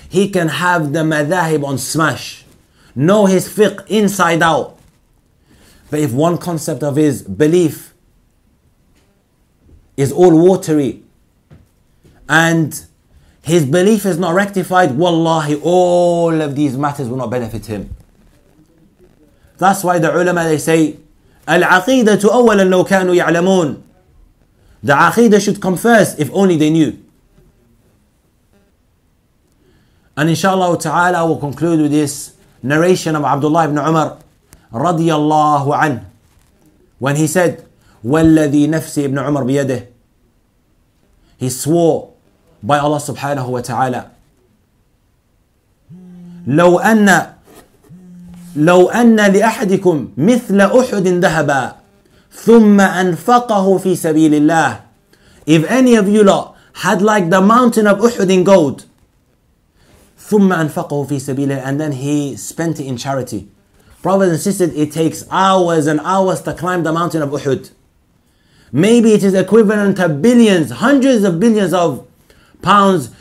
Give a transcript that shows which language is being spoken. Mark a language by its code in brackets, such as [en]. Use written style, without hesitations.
[en] He can have the madahib on smash, know his fiqh inside out. But if one concept of his belief is all watery and his belief is not rectified, wallahi, all of these matters will not benefit him. That's why the ulama, they say, [ar] العقيدة أولا لو كانوا يعلمون. [en] The عقيدة should come first if only they knew. And inshallah ta'ala, I will conclude with this narration of Abdullah ibn Umar رضي الله عنه, when he said, [ar] والذي نفسي ابن عمر بيده. [en] He swore by Allah subhanahu wa ta'ala, [ar] لو أن لأحدكم مثل أحد ذهبا ثم أنفقه في سبيل الله. [en] If any of you lot had like the mountain of Uhud in gold, [ar] ثم أنفقه في سبيله. [en] And then he spent it in charity. Brothers and sisters, it takes hours and hours to climb the mountain of Uhud. Maybe it is equivalent to billions, hundreds of billions of pounds.